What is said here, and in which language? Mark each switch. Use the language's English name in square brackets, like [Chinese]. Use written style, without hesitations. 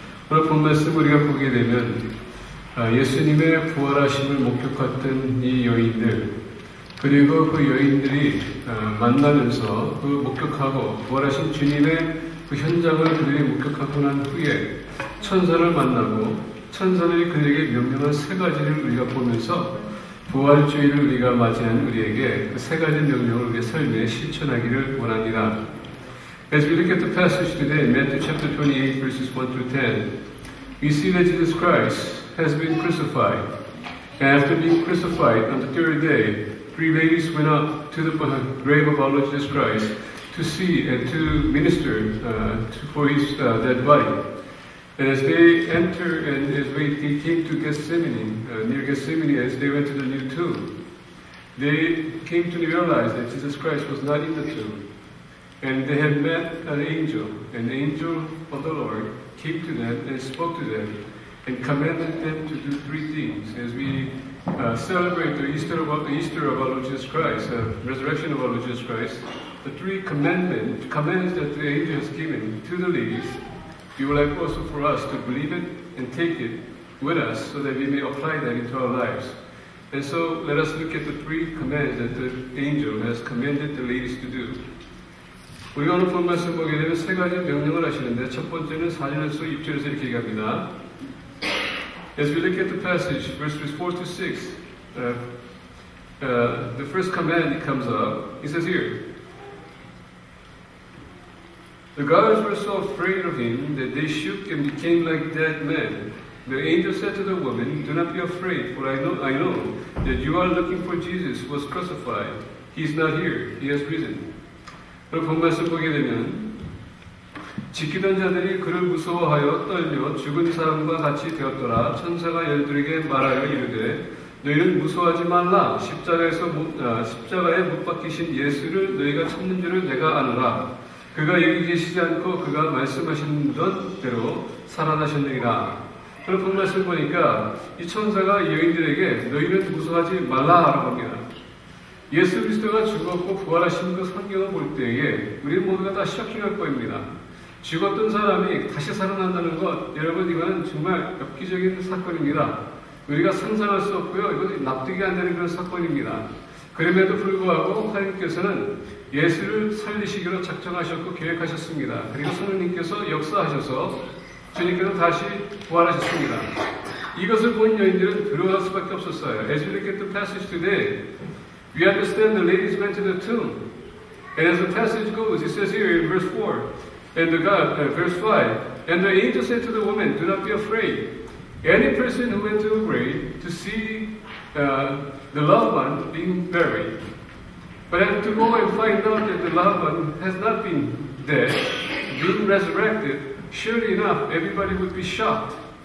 [Korean] 오늘 본 말씀 우리가 보게 되면 예수님의 부활하심을 목격했던 이 여인들 그리고 그 여인들이 만나면서 그 목격하고 부활하신 주님의 그 현장을 그들이 목격하고 난 후에 천사를 만나고 천사들이 그들에게 명령한 세 가지를 우리가 보면서 부활주일을 우리가 맞이한 우리에게 그 세 가지 명령을 우리 삶에 실천하기를 원합니다. [English] As we look at the passage today, Matthew chapter 28, verses 1 through 10, we see that Jesus Christ has been crucified. And after being crucified, on the third day, three ladies went up to the grave of our Lord Jesus Christ to see and to minister for his dead body. And as they entered and as they came to Gethsemane, near Gethsemane, as they went to the new tomb, they came to realize that Jesus Christ was not in the tomb. And they had met an angel of the Lord came to them and spoke to them and commanded them to do three things. As we celebrate the Easter of our Lord Jesus Christ, the resurrection of our Lord Jesus Christ, the three commands that the angel has given to the ladies, we would like also for us to believe it and take it with us so that we may apply that into our lives. And so let us look at the three commands that the angel has commanded the ladies to do. [Korean] 우리가 오늘 본 말씀 보게 되면 세 가지 명령을 하시는데 첫 번째는 4절에서 6절에서 이렇게 얘기합니다. [English] As we look at the passage, verses 4 to 6, the first command comes up. He says here, The guards were so afraid of him that they shook and became like dead men. The angel said to the woman, Do not be afraid, for I know that you are looking for Jesus who was crucified. He is not here. He has risen. [Korean] 그리고 본 말씀 보게 되면 지키던 자들이 그를 무서워하여 떨며 죽은 사람과 같이 되었더라. 천사가 열두에게 말하여 이르되 너희는 무서워하지 말라. 십자가에 못 박히신 예수를 너희가 찾는 줄을 내가 아느라. 그가 여기 계시지 않고 그가 말씀하신 것대로 살아나셨느니라. 그리고 본 말씀 보니까 이 천사가 여인들에게 너희는 무서워하지 말라 라고 합니다. 예수 그리스도가 죽었고 부활하신 그 성경을 볼 때에 우리 모두가 다 쇼킹할 겁니다. 죽었던 사람이 다시 살아난다는 것, 여러분 이거는 정말 엽기적인 사건입니다. 우리가 상상할 수 없고요. 이건 납득이 안 되는 그런 사건입니다. 그럼에도 불구하고 하나님께서는 예수를 살리시기로 작정하셨고 계획하셨습니다. 그리고 성령님께서 역사하셔서 주님께서 다시 부활하셨습니다. 이것을 본 여인들은 두려워할 수밖에 없었어요. [English] As we look at the passage today, We understand the ladies went to the tomb. And as the passage goes, it says here in verse 4, and the God, verse 5, and the angel said to the woman, Do not be afraid. Any person who went to the grave to see the loved one being buried, but had to go and find out that the loved one has not been dead, being resurrected, surely enough, everybody would be shocked.